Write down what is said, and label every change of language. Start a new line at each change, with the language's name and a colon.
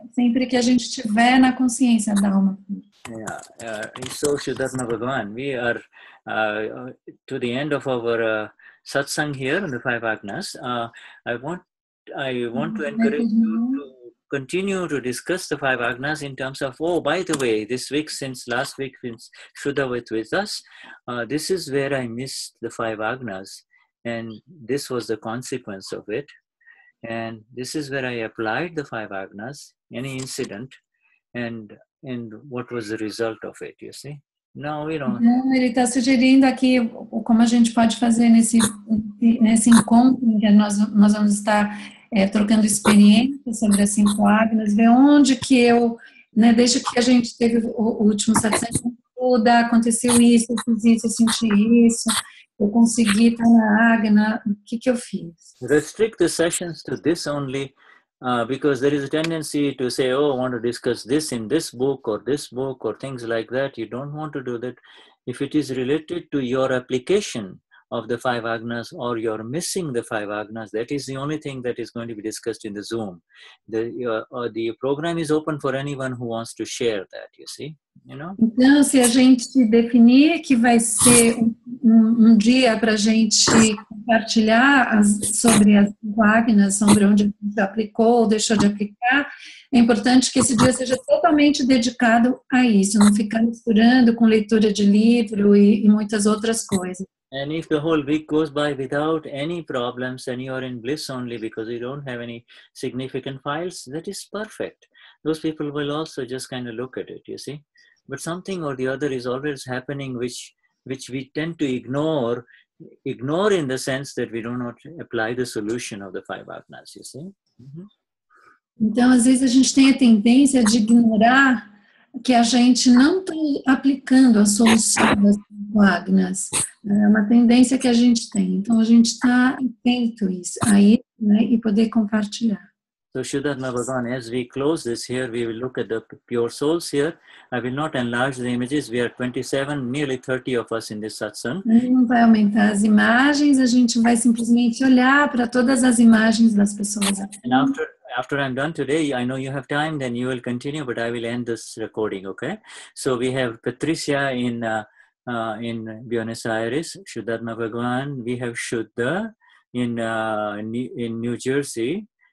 Portuguese: Sempre que a gente tiver na consciência da alma.
English: Yeah, so Shuddhatma Bhagavan, we are to the end of our satsang here in the five Agnas. I want to encourage you to continue to discuss the five Agnas in terms of, oh, by the way, since last week, Shuddha with us, this is where I missed the five Agnas, and this was the consequence of it, and this is where I applied the five Agnas, any incident, and what was the result of it, you see? Now we don't.
Portuguese: Então, ele está sugerindo aqui como a gente pode fazer nesse encontro em que nós vamos estar trocando experiências sobre as cinco Agnas, ver onde que eu, né, desde que a gente teve o último satsang, tudo aconteceu isso, eu fiz isso, eu senti isso, eu consegui estar na Agna, o que que eu fiz?
English: Restrict the sessions to this only. Because there is a tendency to say, oh, I want to discuss this in this book or things like that. You don't want to do that. If it is related to your application of the five Agnas or you're missing the five Agnas, that is the only thing that is going to be discussed in the Zoom. The program is open for anyone who wants to share that, you see? You know?
Portuguese: Então, se a gente definir que vai ser um dia para a gente compartilhar sobre as Agnas, sobre onde a gente aplicou ou deixou de aplicar, é importante que esse dia seja totalmente dedicado a isso, não ficar misturando com leitura de livro e muitas outras coisas.
English: And if the whole week goes by without any problems and you are in bliss only because you don't have any significant files, that is perfect. Those people will also just kind of look at it, you see. But something or the other is always happening which we tend to ignore in the sense that we do not apply the solution of the five Agnas, you see. Mm-hmm.
Portuguese: Então, às vezes a gente tem a tendência de ignorar que a gente não está aplicando a solução das cinco Agnas. É uma tendência que a gente tem. Então, a gente está atento a isso, né, e poder compartilhar.
English: So, Shuddhatma Bhagavan, as we close this here, we will look at the pure souls here. I will not enlarge the images. We are 27, nearly 30 of us in this satsang.
Portuguese: Não vai aumentar as imagens. A gente vai simplesmente olhar para todas as imagens das pessoas.
English: And after I'm done today, I know you have time, then you will continue, but I will end this recording, okay? So, we have Patricia in Buenos Aires, Shuddhatma Bhagavan. We have Shuddha in New Jersey.